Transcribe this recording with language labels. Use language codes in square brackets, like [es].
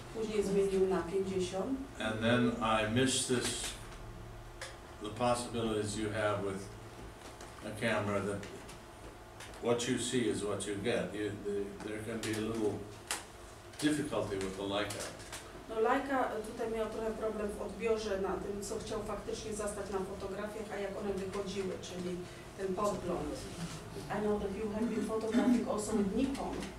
[pl] Później zmienił na 50. [en] And then I missed this, the possibilities you have with a camera that what you see is what you get. There can be a little difficulty with the Leica. [pl] No Leica tutaj miał trochę problem w odbiorze na tym, co chciał faktycznie zastać na fotografiach, a jak one wychodziły, czyli ten podgląd. [en] I know that you have been photographing also with Nikon.